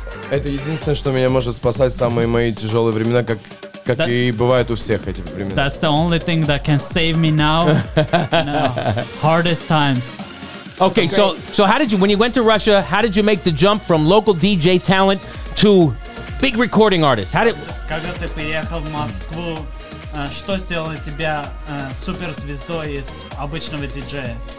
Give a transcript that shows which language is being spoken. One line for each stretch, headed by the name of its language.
Russian: Это единственное, что меня может спасать самые мои тяжелые времена, как и бывает у всех этих времен.
English: That's the only thing that can save me now. No. Hardest times. Okay, so how did you, when you went to Russia, how did you make the jump from local DJ talent to big recording artist? How did?
Russian: Когда ты переехал в Москву, что сделало тебя суперзвездой из обычного диджея?